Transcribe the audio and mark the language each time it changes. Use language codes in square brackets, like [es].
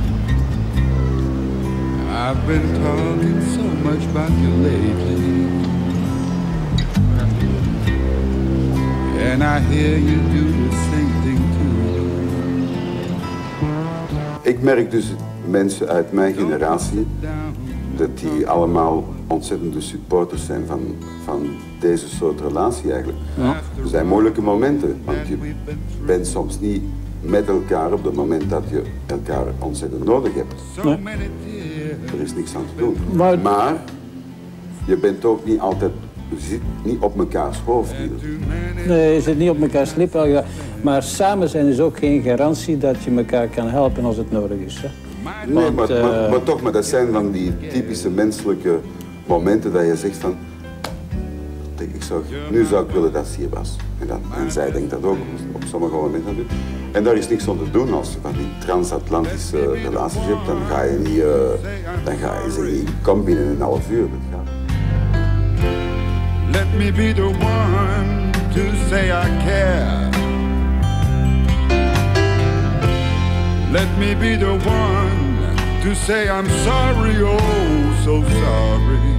[en] I've been talking so much about you lately. And I hear you do the same thing too. [nl] Ik merk dus mensen uit mijn generatie dat die allemaal ontzettende supporters zijn van deze soort relatie eigenlijk. Ja. Er zijn moeilijke momenten, want je bent soms niet met elkaar op het moment dat je elkaar ontzettend nodig hebt. Nee. Er is niks aan te doen. Maar je bent ook niet altijd, je zit niet op mekaars hoofd hier. Nee, je zit niet op mekaars lip. Maar samen zijn is ook geen garantie dat je elkaar kan helpen als het nodig is. Hè? Nee, want, maar dat zijn van die typische menselijke momenten dat je zegt van, nu zou ik willen dat ze hier was. En zij denkt dat ook op sommige momenten. En daar is niks aan te doen als je van die transatlantische relaties hebt, dan ga je niet, dan ga je ze niet, kom binnen een half uur. Met jou. [en] Let me be the one to say I care. Let me be the one to say I'm sorry, oh so sorry.